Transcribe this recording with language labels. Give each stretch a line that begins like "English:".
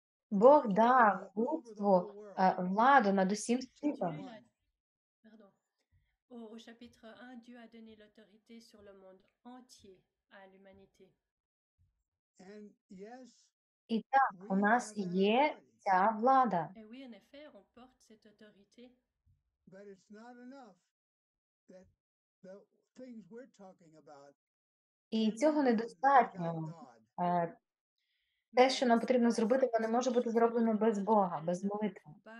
Ukrainian: Бог дав людству владу над усім світом. У
French: chapitre 1 Dieu a donné l'autorité sur le monde entier à l'humanité.
English: And yes.
Ukrainian: І так, у нас є ця влада.
French: Et oui, en effet, on porte cette autorité.
English: But it's not enough that the things we're talking about.
Ukrainian: І цього недостатньо. Те, що нам потрібно зробити, воно не може бути зроблено без Бога, без молитви.